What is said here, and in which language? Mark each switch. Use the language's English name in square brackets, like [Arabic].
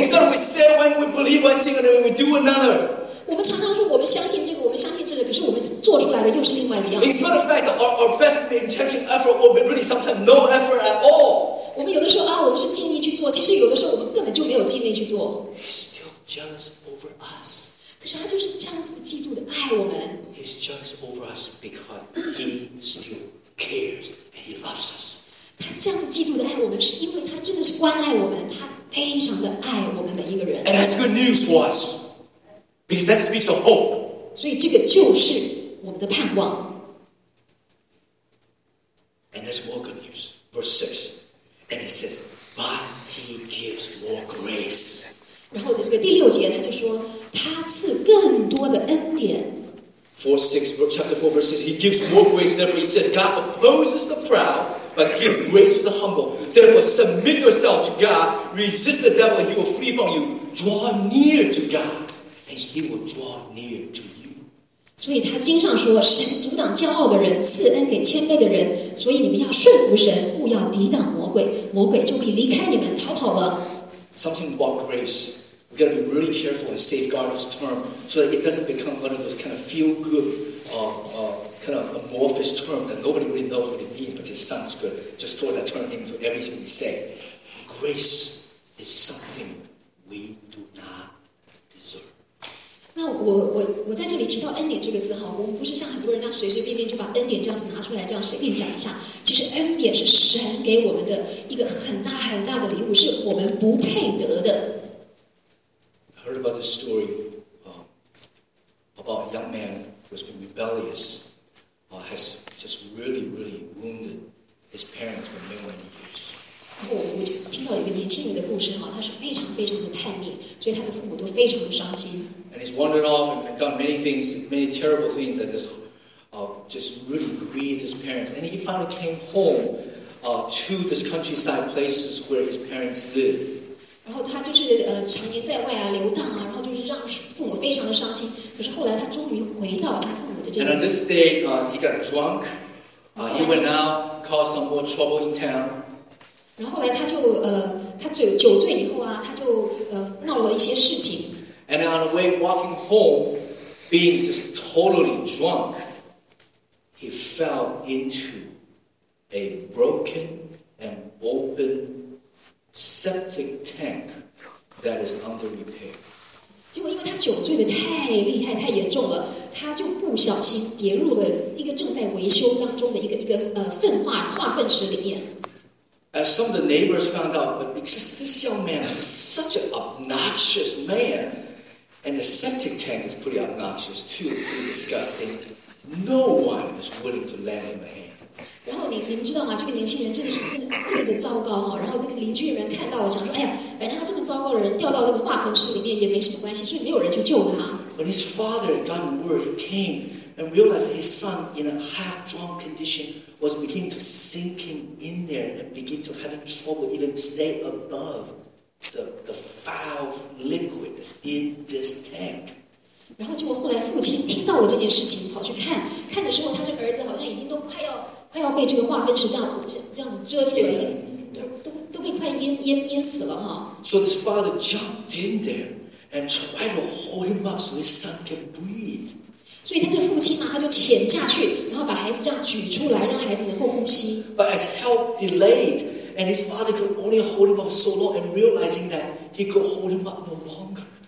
[English] In spite of we say one, we believe one thing, and then we do another. [Chinese] 我们常常说我们相信这个，我们相信这个，可是我们做出来的又是另外一个样子。 [English] In spite of the fact that our best intention effort, or really sometimes no effort at all, [Chinese] 我们有的时候啊，我们是尽力去做，其实有的时候我们根本就没有尽力去做。 [English] He's still jealous over us. [Chinese] 可是他就是这样子的嫉妒的爱我们。 [English] He's jealous over us because he still cares and he loves us. [Chinese] 他这样子嫉妒的爱我们，是因为他真的是关爱我们，他非常的爱我们每一个人。 [English] And that's good news for us because that speaks of hope. [Chinese] 所以这个就是我们的盼望。 [English] And there's more good news, verse 6. And it says, but he gives more grace. [Chinese] 然后这个第六节他就说，他赐更多的恩典。 [English] chapter 4, verse 6, he gives more grace. Therefore, he says, God opposes the proud, but gives grace to the humble. Therefore, submit yourself to God, resist the devil, and he will flee from you. Draw near to God, and he will draw near to you. [Chinese] 所以他经上说，神阻挡骄傲的人，赐恩给谦卑的人。所以你们要顺服神，勿要抵挡魔鬼，魔鬼就必离开你们，逃跑了。 [English] Something about grace. We got to be really careful and safeguard this term so that it doesn't become one of those kind of feel good, kind of amorphous term that nobody really knows what it means, but it sounds good. Just throw that term into everything we say. Grace is something we do not deserve. [Chinese] 那我在这里提到恩典这个字哈，我们不是像很多人那随随便便就把恩典这样子拿出来这样随便讲一下。其实恩典是神给我们的一个很大很大的礼物，是我们不配得的。 [English] Heard about the story, about a young man who's been rebellious, has just really, really wounded his parents for many years. [Chinese] 我就听到一个年轻人的故事哈，他是非常非常的叛逆，所以他的父母都非常的伤心。 [English] And he's wandered off and done many things, many terrible things that just really grieved his parents. And he finally came home to this countryside places where his parents live. [Chinese] 然后他就是常年在外啊流荡啊，然后就是让父母非常的伤心。可是后来他终于回到他父母的这个。 [English] And on this day, he got drunk. He went out, caused some more trouble in town. [Chinese] 然后后来他就他酒醉以后啊，他就闹了一些事情。 [English] And on the way walking home, being just totally drunk, he fell into a broken and open septic tank that is under repair. [Chinese] 结果因为他酒醉的太厉害太严重了，他就不小心跌入了一个正在维修当中的一个化粪池里面。 [English] As some of the neighbors found out, but because this young man is such an obnoxious man. And the septic tank is pretty obnoxious too, pretty disgusting. No one is willing to lend him a hand. [Chinese] 然后你们知道吗？这个年轻人真的是这么的糟糕哈。然后那个邻居人看到了，想说，哎呀，反正他这么糟糕的人掉到这个化粪池里面也没什么关系，所以没有人去救他。 [English] When his father got the word, he came and realized that his son, in a half-drunk condition, was beginning to sinking in there and begin to having trouble even stay above. The foul liquid is in this tank. [Chinese] 然后结果后来父亲听到了这件事情，跑去看。看的时候，他这儿子好像已经都快要被这个化粪池这样子遮住了，都被快淹死了哈。 [English] So his father jumped in there and tried to hold him up so his son can breathe. [Chinese] 所以他这父亲嘛，他就潜下去，然后把孩子这样举出来，让孩子能够呼吸。 [English] But as help delayed. And his father could only hold him up so long, and realizing that he could hold him up no longer.